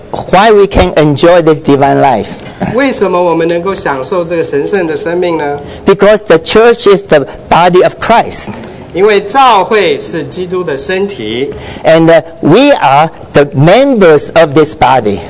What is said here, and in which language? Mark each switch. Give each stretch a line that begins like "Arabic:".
English: Why we can enjoy this divine life?
Chinese: 为什么我们能够享受这个神圣的生命呢？
English: Because the church is the body of Christ.
Chinese: 因为教会是基督的身体。
English: And we are the members of this body.